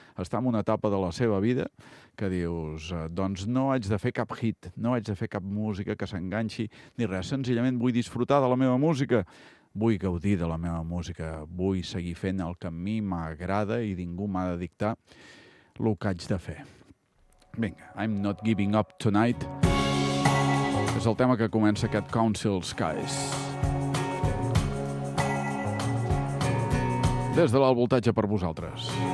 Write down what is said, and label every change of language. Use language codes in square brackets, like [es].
[ca] Està en una etapa de la seva vida que dius, doncs no haig de fer cap hit, no haig de fer cap música que s'enganxi ni res, senzillament vull disfrutar de la meva música, vull gaudir de la meva música, vull seguir fent el que a mi m'agrada i ningú m'ha de dictar el que haig de fer. [en] Vinga, I'm not giving up tonight. [ca] És el tema que comença aquest Council Skies. Des de l'alt voltatge per vosaltres.